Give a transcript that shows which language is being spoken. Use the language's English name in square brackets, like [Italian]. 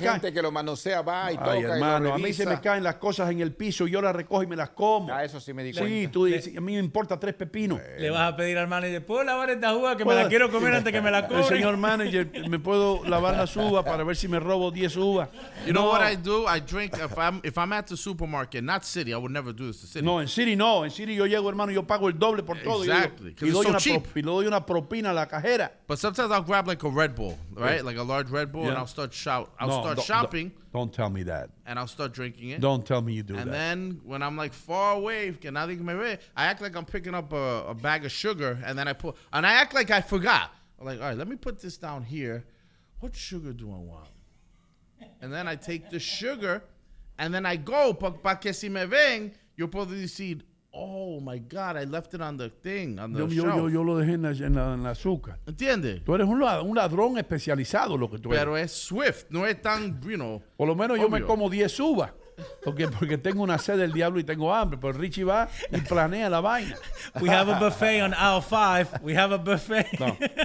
[Spanish] Tanta gente que lo manosea, va y toca. Ay, hermano, a mí se me caen las cosas en el piso, yo las recojo y me las como. Ah, eso sí me di cuenta. Sí, tú dices, a mí me importa tres pepinos. Le vas a pedir al manager, ¿puedo lavar esta uva que me la quiero comer antes que me la cobre? El señor manager, ¿me puedo lavar las uvas para ver si me robo 10 uvas? [English] You know what I do? I drink, if I'm at the supermarket, not city, I would never do this to city. [Spanish] No, en city no. En city yo llego, hermano, yo pago el doble por todo. [English] Exactly. [Spanish] Y le doy una propina a la cajera. [English] But sometimes I'll grab like a Red Bull, right? Like a large Red Bull, yeah. And I'll start shopping. Don't tell me that. And I'll start drinking it. Don't tell me you do and that. And then when I'm like far away, I act like I'm picking up a bag of sugar, and then I act like I forgot. I'm like, all right, let me put this down here. What sugar do I want? And then I take the sugar, and then I go, [Spanish] pa que si me ven, [English] you'll probably see, oh my God, I left it on the thing, on the shelf. [Spanish] Yo lo dejé en la azúcar. ¿Entiendes? Tú eres un ladrón especializado, lo que tú pero eres. Pero es swift, no es tan, [English] you know. [Spanish] Por lo menos obvio. Yo me como 10 uvas. Porque tengo una sed del diablo y tengo hambre. Pero Richie va y planea la vaina. [English] We have a buffet on aisle 5. We have a buffet. No.